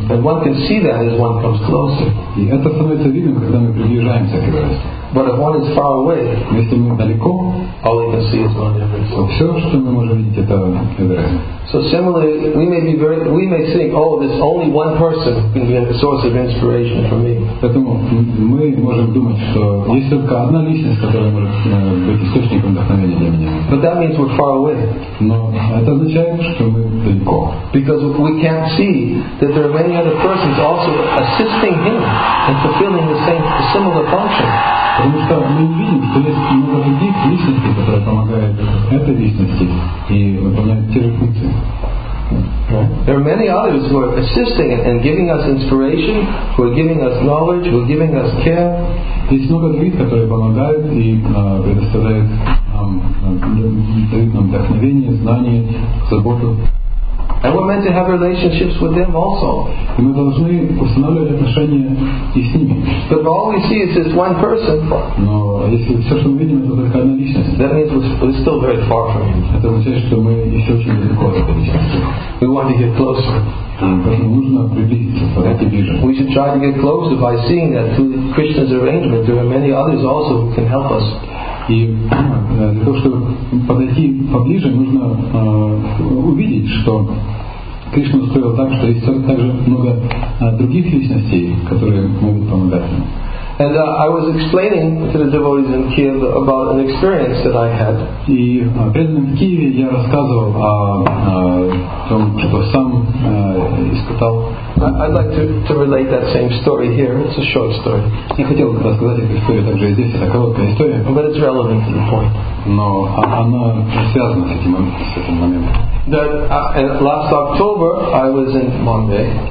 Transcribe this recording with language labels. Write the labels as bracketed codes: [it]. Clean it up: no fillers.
[en] And one can see that as one comes closer. [ru] И это становится видно, когда мы приближаемся к Эвересту. [en] But if one is far away, [ru] если мы далеко, [en] all we can see is Mount Everest. [ru] Все, что мы можем видеть, это Эверест. [en] So similarly, we may think, oh, this only one person can be a source of inspiration for me. [ru] Поэтому мы можем думать, что есть только одна личность, которая может быть источником вдохновения для меня. [en] But that means we're far away. [ru] Но это означает, что мы далеко. [en] Because we can't see that there are many other persons also assisting him and fulfilling the same similar function. [ru] Потому что мы видим, что есть много других личностей, которые помогают этой личности и выполняют те же функции. [en] There are many others who are assisting and giving us inspiration, who are giving us knowledge, who are giving us care. [ru] Есть много других, которые помогают и предоставляют нам, дают нам вдохновение, знание, заботу. [en] And we're meant to have relationships with them also. [ru] И мы должны устанавливать отношения и с ними. [en] But all we see is this one person. [ru] Но если все, что мы видим, это только одна личность. [en] That means we're still very far from him. [ru] Это означает, что мы еще очень далеко от этой личности. [en] We want to get closer. [ru] Поэтому нужно приблизиться, подойти ближе. [en] We should try to get closer by seeing that through Krishna's arrangement there are many others also who can help us. [ru] И для того, чтобы подойти поближе, нужно увидеть, что Кришна устроил так, что есть также много других личностей, которые могут помогать нам. [en] And I was explaining to the devotees in Kiev about an experience that I had. [ru] И преданным в Киеве я рассказывал о том, что сам испытал. [en] I'd like to relate that same story here. It's a short story. [ru] Я хотел бы рассказать эту историю также здесь. Это короткая история. [en] But it's relevant to the point. [ru] Но она связана с этим моментом. [en] That last October I was in Bombay.